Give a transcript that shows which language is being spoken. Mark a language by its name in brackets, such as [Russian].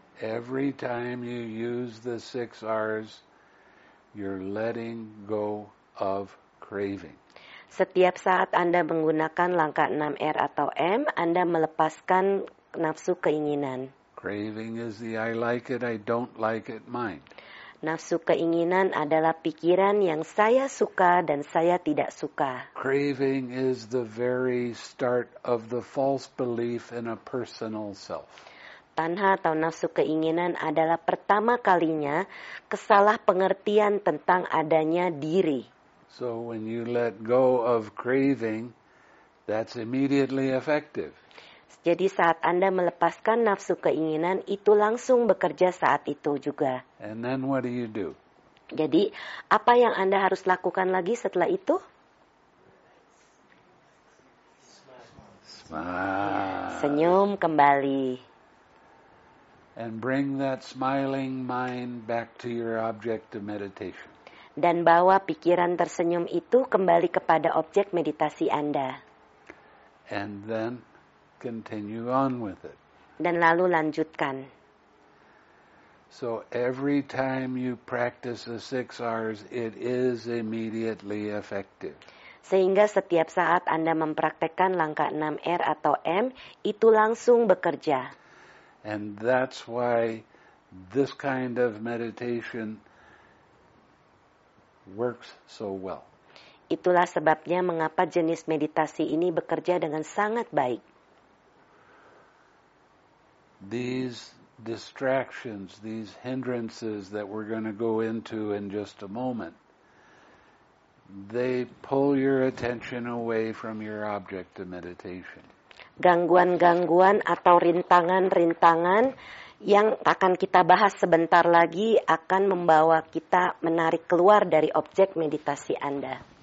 [English] Every time you use the 6 R's, you're letting go of craving. [Indonesian] Setiap saat Anda menggunakan langkah 6 R atau M, Anda melepaskan nafsu keinginan. [English] Craving is the I like it, I don't like it mind. [Indonesian] Nafsu keinginan adalah pikiran yang saya suka dan saya tidak suka. [English] Craving is the very start of the false belief in a personal self. [Indonesian] Tanha atau nafsu keinginan adalah pertama kalinya kesalah pengertian tentang adanya diri. [English] So when you let go of craving, that's immediately effective. [Indonesian] Jadi saat Anda melepaskan nafsu keinginan, itu langsung bekerja saat itu juga. [English] And then what do you do? [Indonesian] Jadi, apa yang Anda harus lakukan lagi setelah itu? [English] Smile. [Indonesian] Senyum kembali. [English] and bring that smiling mind back to your object of meditation. [Indonesian] Dan bawa pikiran tersenyum itu kembali kepada objek meditasi Anda. [English] And then continue on with it. [Indonesian] Dan lalu lanjutkan. [English] So every time you practice the six R's, it is immediately effective. [Indonesian] Sehingga setiap saat Anda mempraktekkan langkah 6R atau M, itu langsung bekerja. [English] And that's why this kind of meditation works so well. [Indonesian] Itulah sebabnya mengapa jenis meditasi ini bekerja dengan sangat baik. [English] These distractions, these hindrances that we're going to go into in just a moment, they pull your attention away from your object of meditation. [Indonesian] Gangguan-gangguan atau rintangan-rintangan yang akan kita bahas sebentar lagi akan membawa kita menarik keluar dari objek meditasi Anda.